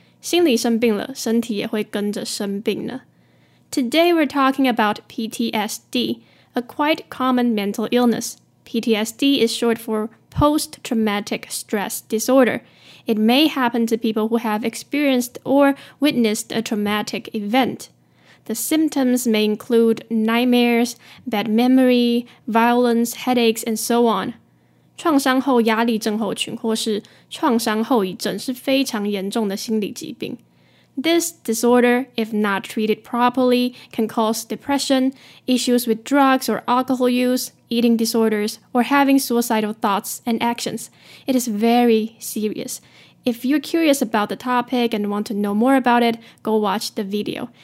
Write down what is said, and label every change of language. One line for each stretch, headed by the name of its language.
Chinese: 心理生病了，身体也会跟着生病呢。
English: Today we're talking about PTSD, a quite common mental illness. PTSD is short for post-traumatic stress disorder. It may happen to people who have experienced or witnessed a traumatic event. The symptoms may include nightmares, bad memory, violence, headaches, and so on.
Chinese: 创伤后压力症候群或是创伤后遗症是非常严重的心理疾病。
English: This disorder, if not treated properly, can cause depression, issues with drugs or alcohol use, eating disorders, or having suicidal thoughts and actions. It is very serious. If you're curious about the topic and want to know more about it, go watch the video.